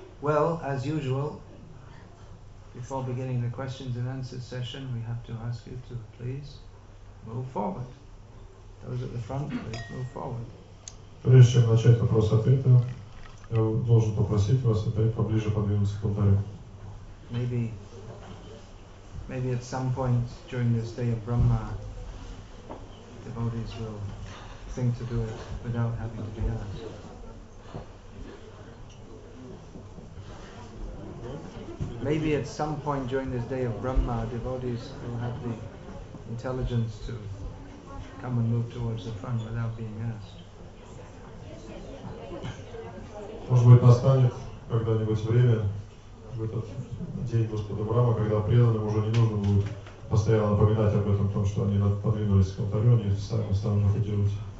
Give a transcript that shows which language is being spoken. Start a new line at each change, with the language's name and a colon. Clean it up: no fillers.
English: Well, as usual, before beginning the questions and answers session, we have to ask you to please move forward. Those at the front, please move forward.
Russian: Прежде чем начать вопрос-ответы, я должен попросить вас опять поближе подвинуться к алтарю.
English: Maybe at some point during this day of Brahma, devotees will think to do it without having to be asked. Maybe at some point during this day of Brahma, devotees will have the intelligence to come and move towards the front without being asked.
Russian: Может быть, настанет когда-нибудь время, в этот день Господа Брама, когда преданным уже не нужно будет постоянно напоминать об этом, о том, что они подвинулись к алтарю, они сами станут находиться.